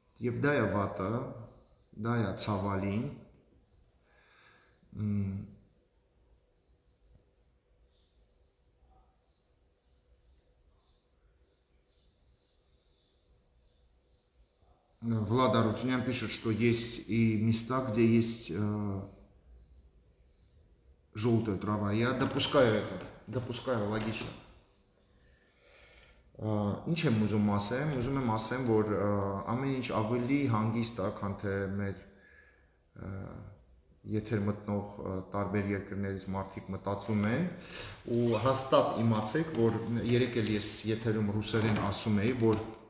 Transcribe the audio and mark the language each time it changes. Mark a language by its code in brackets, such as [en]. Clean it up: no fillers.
[hy] և դա է վատը, դա է ցավալին, [ru] Влад Арутюнян пишет, что есть и места, где есть желтая трава. Я допускаю это, допускаю, логично. [hy] Ինչ եմ ուզում ասեմ, ուզում եմ ասեմ, որ ամեն ինչ ավելի հանգիստ է, քան թե մեր եթեր մտնող տարբեր երկրներից մարդիկ մտածում են, ու հաստատ իմացեք, որ երեկ էլ ես եթերում ռուսերեն ասում էի, որ